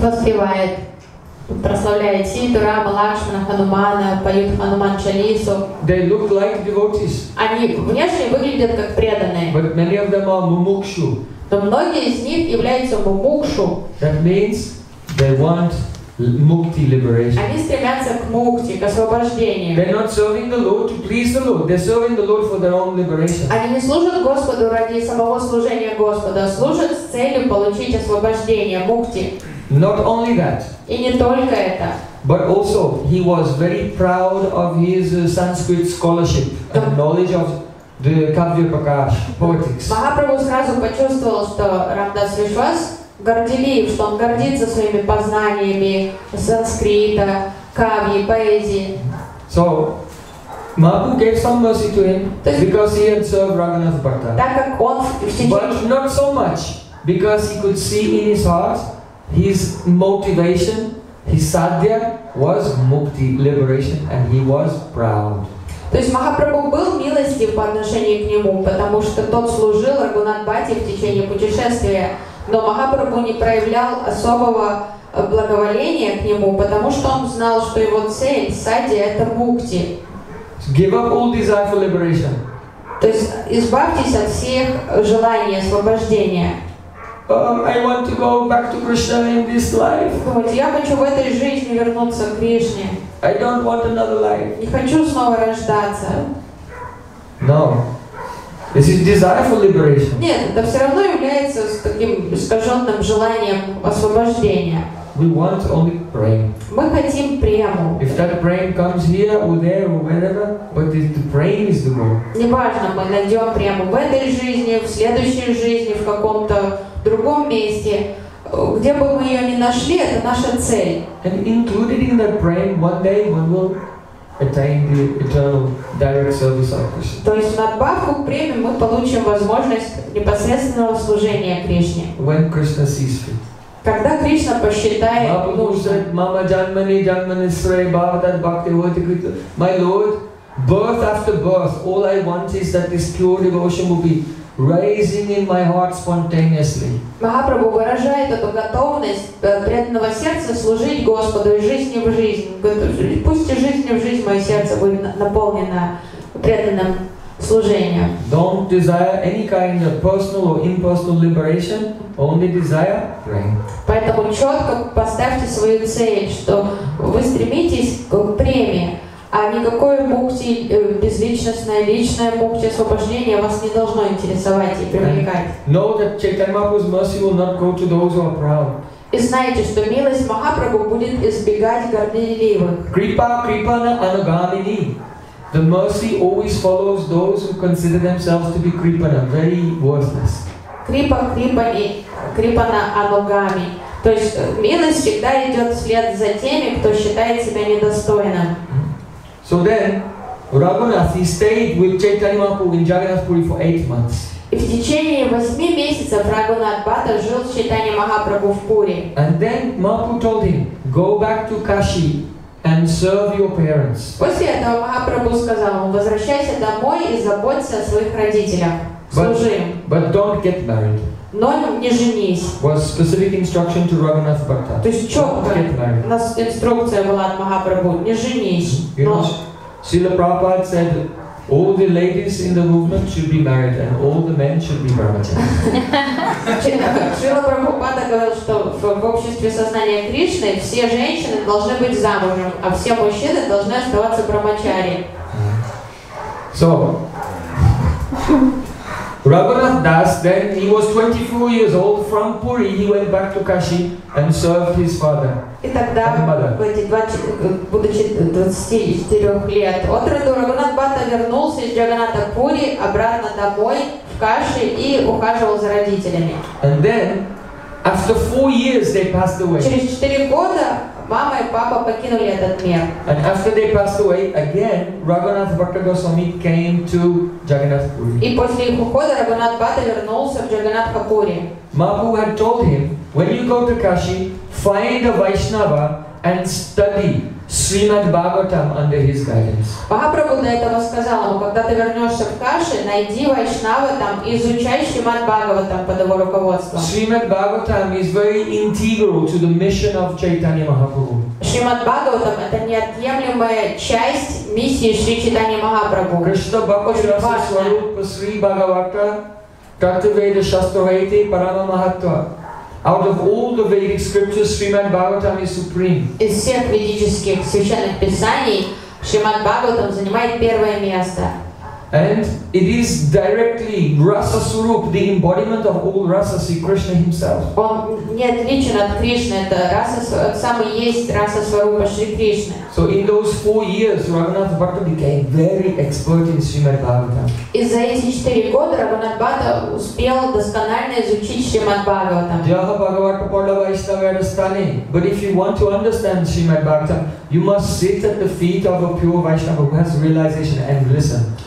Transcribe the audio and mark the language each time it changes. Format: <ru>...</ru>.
<ru>Воспевает, прославляет Ситу, Рама, Лакшмана, Ханумана, поют Хануман Чалису.</ru> <en>They look like devotees.</en> <ru>Они внешне выглядят как преданные.</ru> <en>But many of them are mumukshu.</en> <ru>то многие из них являются мукшу.</ru> <en>That means they want mukti liberation.</en> <ru>Они стремятся к мукти, к освобождению.</ru> <en>They're not serving the Lord to please the Lord. They're serving the Lord for their own liberation.</en> <ru>Они не служат Господу ради самого служения Господа, а служат с целью получить освобождение, мукти.</ru> <en>Not only that.</en> <ru>И не только это.</ru> <en>But also, he was very proud of his Sanskrit scholarship and knowledge of the Kavyaprakash poetics.</en> <ru>Mahaprabhu сразу почувствовал, что Рамдас Вишвас горделив, что он гордится своими познаниями санскрита, кавьи, поэзии.</ru> <en>So, Mahaprabhu gave some mercy to him because he had served Raghunath Bhatta.</en> <ru>Так как он</ru> <en>But not so much because he could see in his heart his motivation. His sadhya was mukti, liberation, and he was proud.</en> <ru>То есть Махапрабху был милостив по отношению к нему, потому что тот служил Рагунат Бхатте в течение путешествия, но Махапрабху не проявлял особого благоволения к нему, потому что он знал, что его цель, садья, это мукти.</ru> <en>Give up all desire for liberation.</en> <ru>То есть избавьтесь от всех желаний освобождения.</ru> <en>I want to go back to Krishna in this life.</en> <ru>Вот я хочу в этой жизни вернуться к Кришне.</ru> <en>I don't want another life.</en> <ru>Не хочу снова рождаться.</ru> <en>No. This is desire for liberation.</en> <ru>Нет, это все равно является таким искаженным желанием освобождения.</ru> <en>We want only prema.</en> <ru>Мы хотим прему.</ru> <en>If that prema comes here or there or wherever, but if the prema is the goal.</en> <ru>Неважно, мы найдем прему в этой жизни, в следующей жизни, в каком-то в другом месте, где бы мы ее ни нашли, это наша цель.</ru> <en>And included in that prayer, one day we will attain the eternal direct service of Krishna.</en> <ru>То есть надбавку к премии мы получим возможность непосредственного служения Кришне.</ru> <en>When Krishna sees fit.</en> <ru>Когда Кришна посчитает.</ru> <sa>Бабу said, Mama Janmani, Janmani Srei, Bhavadat Bhakti Vati Krita.</sa> <en>My Lord, birth after birth, all I want is that this pure devotion will be rising in my heart spontaneously.</en> <ru>Махапрабху выражает эту готовность преданного сердца служить Господу из жизни в жизнь. Пусть из жизни в жизнь мое сердце будет наполнено преданным служением.</ru> <en>Don't desire any kind of personal or impersonal liberation, only desire prema.</en> <ru>Поэтому четко поставьте свою цель, что вы стремитесь к преме. А никакое мукти, безличностное, личное мукти, освобождение вас не должно интересовать и привлекать.</ru> <en>Know that Chaitanya Mahaprabhu's mercy will not go to those who are proud.</en> <ru>И знаете, что милость Махапрабху будет избегать горделивых.</ru> <sa>Kripa kripa na anugamini.</sa> <en>The mercy always follows those who consider themselves to be kripana, very worthless.</en> <sa>Kripa kripani, kripa na anugami.</sa> <ru>То есть милость всегда идет вслед за теми, кто считает себя недостойным.</ru> <en>So then, Raghunath, he stayed with Chaitanya Mahaprabhu in Jagannath Puri for 8 months.</en> <ru>И в течение 8 месяцев Рагунат Бхатта жил с Чайтанья Махапрабху в Пури.</ru> <en>And then Mahaprabhu told him, go back to Kashi and serve your parents.</en> <ru>После этого Махапрабху сказал ему, возвращайся домой и заботься о своих родителях. Служи им.</ru> <en>But don't get married.</en> <ru>Но не женись.</ru> <en>Was specific instruction to Raghunath Bhatta.</en> <ru>То есть четко у нас инструкция была от Махапрабху. Не женись. Но.</ru> <en>Srila Prabhupada said, all the ladies in the movement should be married and all the men should be brahmacharis.</en> <ru>Srila Prabhupada говорил, что в обществе сознания Кришны все женщины должны быть замужем, а все мужчины должны оставаться брахмачари.</ru> <en>So. Raghunath Das, then he was 24 years old, from Puri he went back to Kashi and served his father and mother.</en> <ru>Будучи 24 лет от роду, Рагунат Бхатта вернулся из Джаганната Пури обратно домой в Каши и ухаживал за родителями.</ru> <en>And then, after 4 years, they passed away.</en> <ru>Через 4 года мама и папа покинули этот мир.</ru> <en>And after they passed away, again, Raghunath Bhatta Goswami came to Jagannath Puri.</en> <ru>И после их ухода Рагунат Бхатта вернулся в Джаганнатха Пури.</ru> <en>Mahaprabhu had told him, when you go to Kashi, find a Vaishnava and study Srimad Bhagavatam under his guidance.</en> <ru>Махапрабху до этого сказал ему, когда ты вернешься в Каши, найди Вайшнава там, изучай Шримад Бхагаватам под его руководством.</ru> <en>Srimad Bhagavatam is very integral to the mission of Chaitanya Mahaprabhu.</en> <ru>Srimad Bhagavatam это неотъемлемая часть миссии Шри Чайтаньи Махапрабху.</ru> <sa>Кришна Бхагавата Сварупа Сри Бхагавата Kartaveda Shastravaiti Paramahatva.</sa> <en>Out of all the Vedic scriptures, Srimad Bhagavatam is supreme.</en> <ru>Из всех ведических священных писаний Шримад Бхагаватам занимает первое место.</ru> <en>And it is directly Rasa Surup, the embodiment of all Rasa, see Krishna himself.</en> <ru>Он не отличен от Кришны, это Раса, самый есть Раса Сварупа Шри Кришна.</ru> <en>So in those 4 years, Raghunath Bhatta became very expert in Srimad Bhagavatam.</en> <ru>И за эти 4 года Раганат Бхатта успел досконально изучить Шримад Бхагаватам.</ru> <bn>Джаха Бхагаватта Падла Вайшнавера Стане.</bn> <en>But if you want to understand Srimad Bhagavatam, you must sit at the feet of a pure Vaishnava who has realization and listen.</en>